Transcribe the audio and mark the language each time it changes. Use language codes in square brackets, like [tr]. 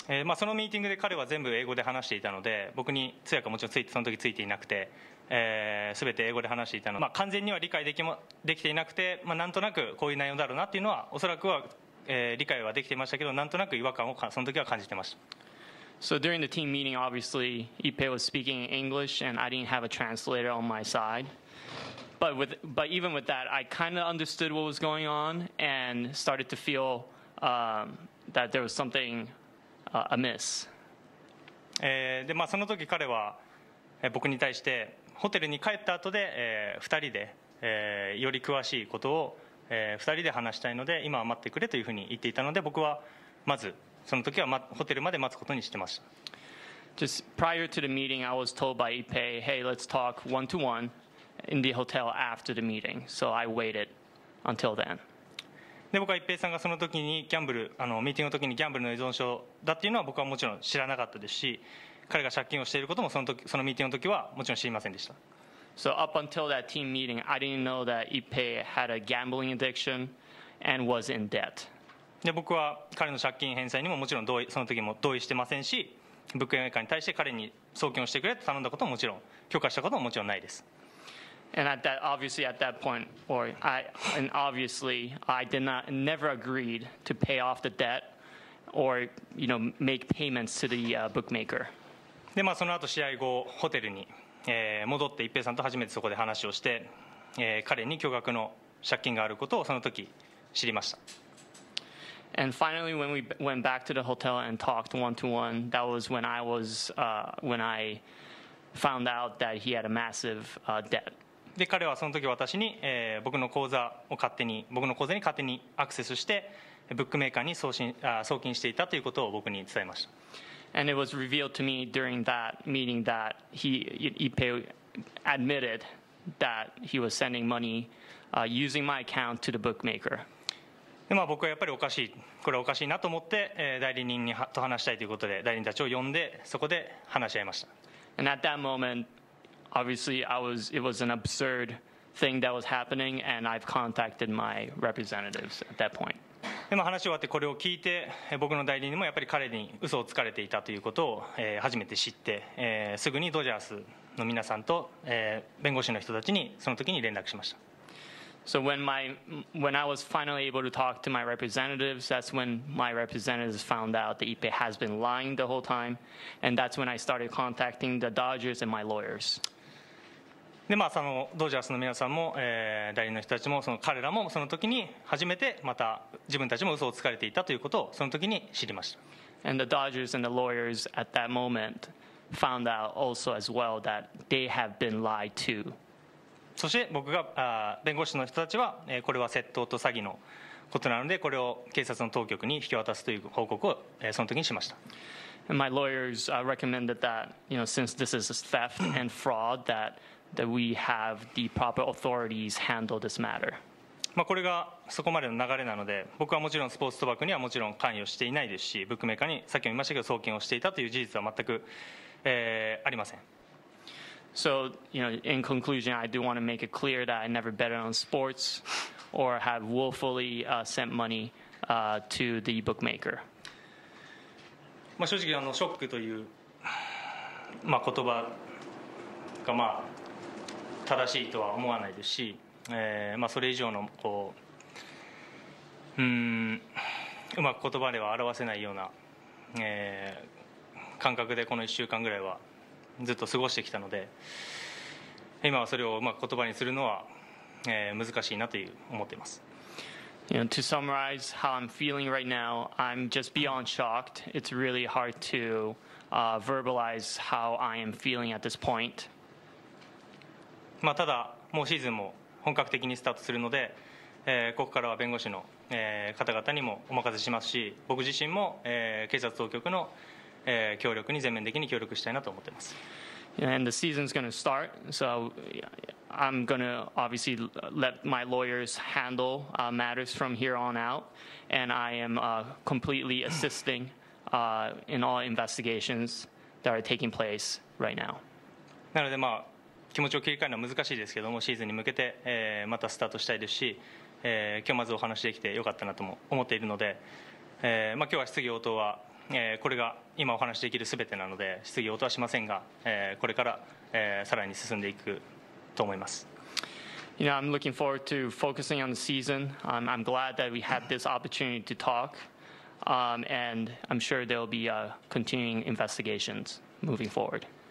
[ja] まあ、そのミーティングで彼は全部英語で話していたので僕に通訳はもちろんその時ついていなくて、全て英語で話していたので、まあ、完全には理解できていなくて、まあ、なんとなくこういう内容だろうなっていうのはおそらくは、理解はできていましたけどなんとなく違和感をその時は感じていました [en] So during the team meeting obviously Ippe was speaking English and I didn't have a translator on my side but even with that I kind of understood what was going on and started to feel that there was somethingamiss. [ja] で、まあ、その時彼は、僕に対してホテルに帰った後で、2人で、より詳しいことを、2人で話したいので今は待ってくれというふうに言っていたので僕はまずその時は、ま、ホテルまで待つことにしてました [en] Just prior to the meeting I was told by Ippe Hey let's talk one to one in the hotel after the meeting So I waited until then [ja] で僕は一平さんがその時にギャンブルあのミーティングの時にギャンブルの依存症だっていうのは僕はもちろん知らなかったですし彼が借金をしていることもそのミーティングの時はもちろん知りませんでした [en] So up until that team meeting I didn't know that Ippe had a gambling addiction and was in debt [ja] で僕は彼の借金返済にももちろん同意その時も同意してませんし物件メーカーに対して彼に送金をしてくれと頼んだことももちろん許可したことももちろんないです [en] And at that, obviously, at that point, or I, and obviously, I did not, never agreed to pay off the debt, or you know, make payments to the bookmaker. [ja] で、まあ、その後試合後ホテルに、戻って一平さんと初めてそこで話をして、彼に巨額の借金があることをその時知りました。 [en] And finally, when we went back to the hotel and talked one to one, that was when I was when I found out that he had a massive debt. [ja] で彼はその時私に、僕の口座を勝手に僕の口座に勝手にアクセスしてブックメーカーに送金していたということを僕に伝えました。 [en] And it was revealed to me during that meeting that he Ippe admitted that he was sending money using my account to the bookmaker. [ja] で、まあ、僕はやっぱりおかしいこれはおかしいなと思って、代理人にと話したいということで代理人たちを呼んでそこで話し合いました。 [en] And at that momentObviously, it was an absurd thing that was happening, and I've contacted my representatives at that point. [ja] でも話終わってこれを聞いて、僕の代理人もやっぱり彼に嘘をつかれていたということを、初めて知って、すぐにドジャースの皆さんと、弁護士の人たちにその時に連絡しました。 [en] So when I was finally able to talk to my representatives, that's when my representatives found out that Ipe has been lying the whole time, and that's when I started contacting the Dodgers and my lawyers. [ja] で、まあ、その、ドジャースの皆さんも、代理の人たちも、その、彼らも、その時に、初めて、また、自分たちも嘘をつかれていたということを、その時に知りました。 [en] And the Dodgers and the lawyers at that moment found out also as well that they have been lied to. [ja] そして、僕が、弁護士の人たちは、これは窃盗と詐欺のことなので、これを警察の当局に引き渡すという報告を、その時にしました。 [en] And my lawyers, recommended that, you know, since this is theft and fraud, that that we have the proper authorities handle this matter. [ja] まあこれがそこまでの流れなので、僕はもちろんスポーツ賭博にはもちろん関与していないですし、ブックメーカーに先ほど言いましたけど送金をしていたという事実は全く、ありません。 [en] So, you know, in conclusion, I do want to make it clear that I never bet on sports or have willfully sent money to the bookmaker. [ja] まあ正直あのショックというまあ言葉がまあ。正しいとは思わないですし、まあ、それ以上のこう、うまく言葉では表せないような、感覚でこの1週間ぐらいはずっと過ごしてきたので、今はそれをうまく言葉にするのは、難しいなという思っています。 [en] You know, to summarize how I'm feeling right now, I'm just beyond shocked. It's really hard to verbalize how I am feeling at this point. [ja] まあ、ただもうシーズンも本格的にスタートするので、ここからは弁護士の、方々にもお任せしますし、僕自身も、警察当局の、協力に全面的に協力したいなと思っています。 [en] And the season's going to start, so I'm going to obviously let my lawyers handle matters from here on out, and I am completely assisting in all investigations that are taking place right now. [ja] なのでまあ。気持ちを切り替えるのは難しいですけども、シーズンに向けて、またスタートしたいですし、今日まずお話できてよかったなとも思っているので、まあ、今日は質疑応答は、これが今お話できるすべてなので、質疑応答はしませんが、これから、さらに進んでいくと思います。 [en] You know, I'm looking forward to focusing on the season. I'm glad that we had this opportunity to talk. And I'm sure there will be continuing investigations moving forward.